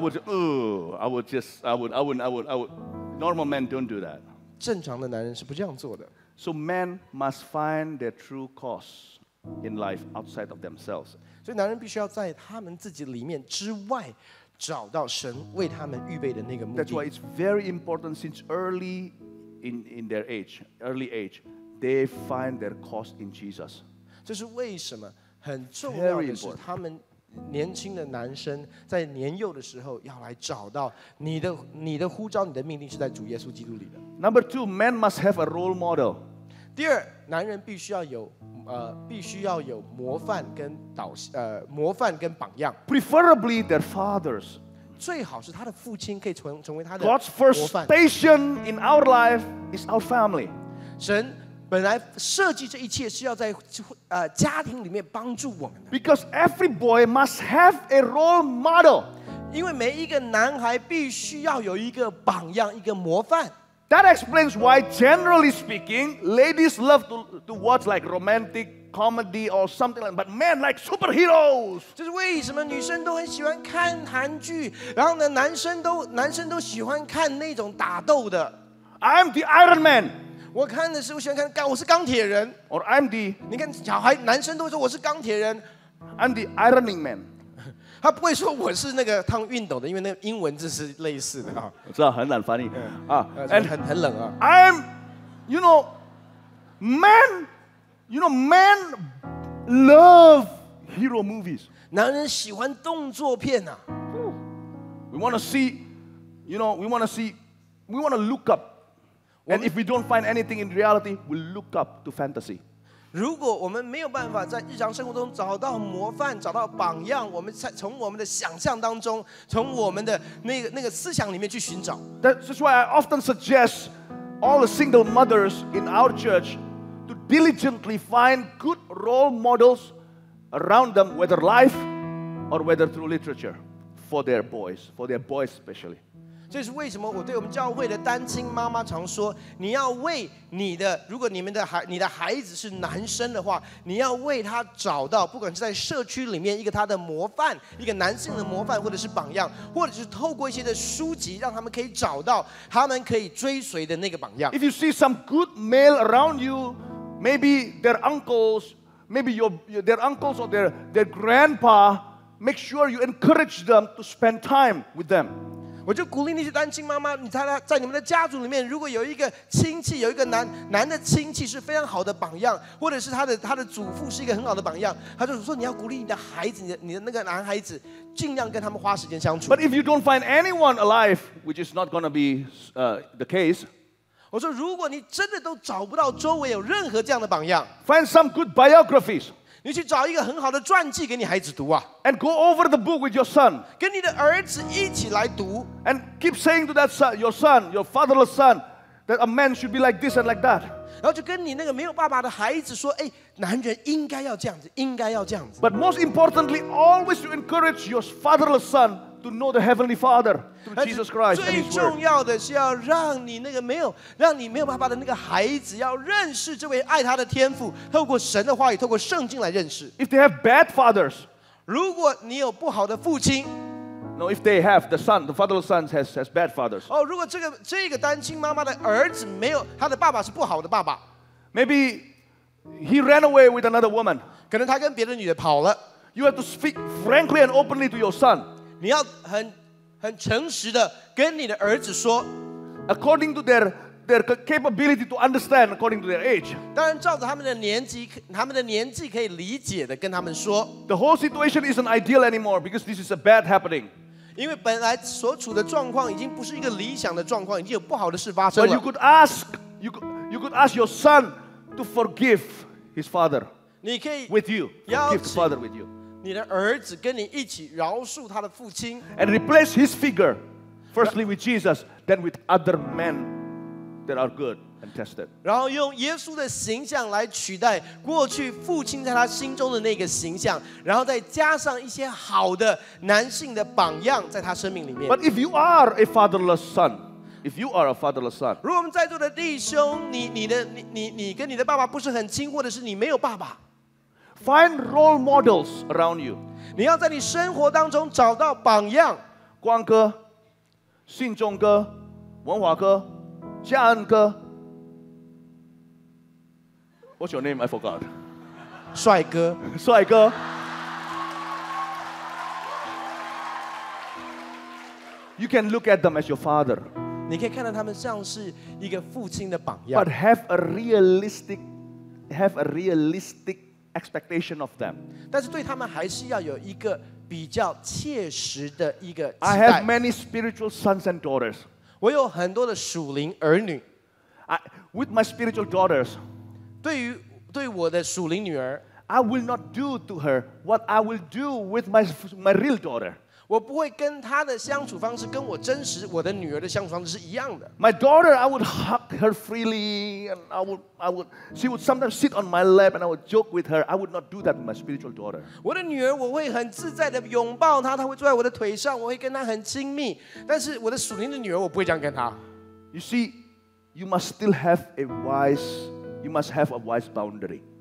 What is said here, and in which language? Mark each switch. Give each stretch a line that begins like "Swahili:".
English: I would. Normal men don't do that.
Chinese: 正常的男人是不这样做的。
English: So men must find their true cause in life outside of themselves.
Chinese: 所以男人必须要在他们自己里面之外。找到神为他们预备的那个目的。
English: That's why it's very important since early in their early age, they find their cause in Jesus.
Chinese: 这是为什么很重要的是他们年轻的男生在年幼的时候要来找到你的呼召你的命令是在主耶稣基督里的。
English: Number two, men must have a role model.
Chinese: 第二，男人必须要有必须要有模范跟榜样。
English: Preferably their fathers.
Chinese: 最好是他的父亲可以成为他的模
English: 范。God's first station in our life is our family.
Chinese: 神本来设计这一切是要在家庭里面帮助我们的。
English: Because every boy must have a role model.
Chinese: 因为每一个男孩必须要有一个榜样，一个模范。
English: That explains why, generally speaking, ladies love to watch like romantic comedy or something like that. But men like superheroes.
Chinese: 这是为什么女生都很喜欢看韩剧，然后呢，男生都喜欢看那种打斗的。
English: I'm the Iron Man.
Chinese: 我看的是我喜欢看我是钢铁人。
English: Or I'm the.
Chinese: 你看小孩男生都说我是钢铁人。
English: I'm the Ironing Man.
Chinese: 他不会说我是那个烫熨斗的，因为那英文字是类似的啊。我知道很难翻译啊，很冷啊。
English: I'm, you know, men, you know, men love hero movies.
Chinese: 男人喜欢动作片啊。
English: We want to see, you know, we want to see, we want to look up. And if we don't find anything in reality, we look up to fantasy.
Chinese: 如果我们没有办法在日常生活中找到模范找到榜样我们从我们的想象当中从我们的那个思想里面去寻找
English: That's why I often suggest all the single mothers in our church to diligently find good role models around them, whether life or whether through literature, for their boys especially.
Chinese: 这是为什么我对我们教会的单亲妈妈常说，你要为你的，如果你们的孩，你的孩子是男生的话，你要为他找到，不管是在社区里面一个他的模范，一个男性的模范或者是榜样，或者是透过一些的书籍，让他们可以找到他们可以追随的那个榜样。
English: If you see some good male around you, maybe their uncles, maybe your their uncles or their grandpa, make sure you encourage them to spend time with them.
Chinese: 我就鼓励那些单亲妈妈，你猜在你们的家族里面，如果有一个亲戚，有一个 男的亲戚是非常好的榜样，或者是他的祖父是一个很好的榜样，他就说你要鼓励你的孩子，你的那个男孩子，尽量跟他们花时间相处。
English: But if you don't find anyone alive, which is not going to be the case,
Chinese: 我说如果你真的都找不到周围有任何这样的榜样
English: ，find some good biographies.
Chinese: 你去找一个很好的传记给你孩子读啊
English: ，and go over the book with your son，
Chinese: 跟你的儿子一起来读
English: ，and keep saying to that son, your son, your fatherless son, that a man should be like this and like that。
Chinese: 然后就跟你那个没有爸爸的孩子说，哎，男人应该要这样子，应该要这样子。
English: But most importantly, always to encourage your fatherless son to know the heavenly Father through Jesus Christ and His Word。
Chinese: 最重要的是要让你那个没有让你没有爸爸的那个孩子要认识这位爱他的天父，透过神的话语，透过圣经来认识。
English: If they have bad fathers,
Chinese: 如果你有不好的父亲。
English: No, if they have the son, the fatherless son has bad fathers.
Chinese: 哦，如果这个单亲妈妈的儿子没有他的爸爸是不好的爸爸。
English: Maybe he ran away with another woman.
Chinese: 可能他跟别的女的跑了。
English: You have to speak frankly and openly to your son.
Chinese: 你要很诚实的跟你的儿子说。
English: According to their capability to understand, according to their age.
Chinese: 当然，照着他们的年纪可以理解的跟他们说。
English: The whole situation isn't ideal anymore because this is a bad happening.
Chinese: 因为本来所处的状况已经不是一个理想的状况，已经有不好的事发生了。
English: But you could ask, you could ask your son to forgive his father.
Chinese: 你可以
English: with you, forgive the father with you.
Chinese: 你的儿子跟你一起饶恕他的父亲。
English: And replace his figure, firstly with Jesus, then with other men that are good and tested.
Chinese: 然后用耶稣的形象来取代过去父亲在他心中的那个形象，然后再加上一些好的男性的榜样在他生命里面。
English: But if you are a fatherless son, if you are a fatherless son,
Chinese: 如果我们在座的弟兄，你跟你的爸爸不是很亲，或者是你没有爸爸
English: ，find role models around you.
Chinese: 你要在你生活当中找到榜样。光哥、信中哥、文华哥、嘉恩哥。
English: What's your name? I forgot.
Chinese: 帅哥，帅哥。
English: You can look at them as your father.
Chinese: 你可以看到他们像是一个父亲的榜样。
English: But have a realistic expectation of them.
Chinese: 但是对他们还是要有一个比较切实的一个期待。
English: I have many spiritual sons and daughters.
Chinese: 我有很多的属灵儿女。
English: With my spiritual daughters.
Chinese: 对我的属灵女儿
English: I will not do to her what I will do with my real daughter.
Chinese: 我不会跟她的相处方式跟我真实我的女儿的相处方式是一样的。
English: My daughter, I would hug her freely and I would she would sometimes sit on my lap and I would joke with her. I would not do that with my spiritual daughter.
Chinese: 我的女儿我会很自在的拥抱她，她会坐在我的腿上，我会跟她很亲密，但是我的属灵的女儿我不会这样跟她。
English: You see, you must still have a wiseYou must have a wise boundary.